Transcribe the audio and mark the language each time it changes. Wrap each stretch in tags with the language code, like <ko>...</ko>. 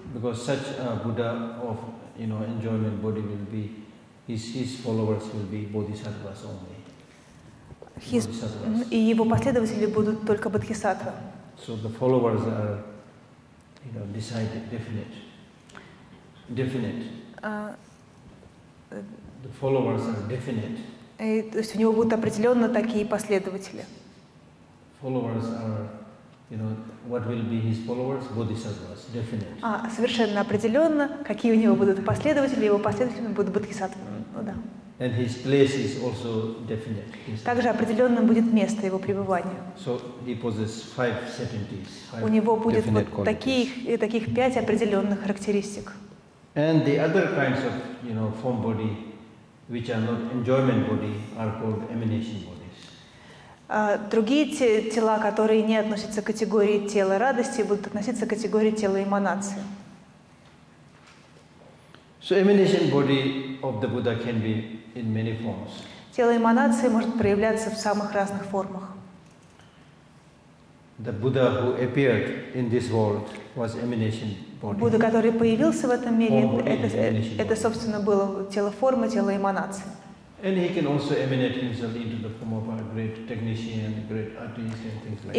<en>Because such a Buddha of, you know, enjoyment body will be, his followers will be bodhisattvas only.</en> <ru>И его последователи будут только бодхисаттва.</ru> <en>So the followers are, you know, decided, definite. The followers are definite.</en> <ru>И, то есть у него будут определенно такие последователи.</ru> <en>Followers are, you know, what will be his followers? Bodhisattvas, definite.</en> <ru>А совершенно определенно, какие у него будут последователи, его последователями будут бодхисаттвы. Ну да.</ru> <en>And his place is also definite.</en> <ru>Также определенным будет место его пребывания.</ru> <en>So he possesses five certainties.</en> <ru>У него будет вот таких пять определенных характеристик.</ru> <en>And the other kinds of, you know, form body, which are not enjoyment body, are called emanation bodies.</en> <ru>Другие тела, которые не относятся к категории тела радости, будут относиться к категории тела эманации.</ru> <en>So emanation body of the Buddha can be in many forms.</en> <ru>Тело эманации может проявляться в самых разных формах.</ru> <en>The Buddha who appeared in this world was emanation body.</en> <ru>Будда, который появился в этом мире, это собственно было тело формы, тело эманации.</ru> <en>And he can also emanate himself into the form of a great technician, great artist, and things like that.</en>